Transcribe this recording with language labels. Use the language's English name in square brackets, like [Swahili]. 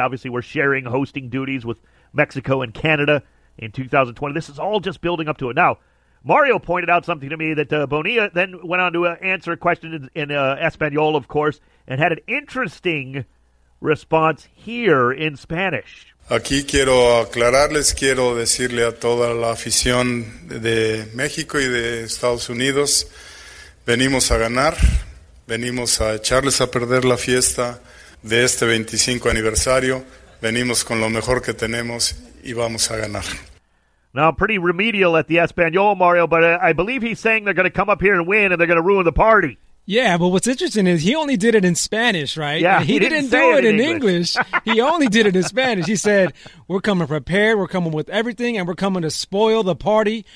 [English] Obviously, we're sharing hosting duties with Mexico and Canada in 2020. This is all just building up to it. Now, Mario pointed out something to me that Bonilla then went on to answer a question in Espanol, of course, and had an interesting response here in Spanish. [Spanish] Aquí quiero aclararles, quiero decirle a toda la afición de México y de Estados Unidos, venimos a ganar, venimos a echarles a perder la fiesta de este 25 aniversario, venimos con lo mejor que tenemos y vamos a ganar. [English] Now, pretty remedial at the Espanol, Mario, but I believe he's saying they're going to come up here and win and they're going to ruin the party. Yeah, but what's interesting is he only did it in Spanish, right? Yeah, he didn't do it in English. He only did it in Spanish. He said, we're coming prepared, we're coming with everything, and we're coming to spoil the party.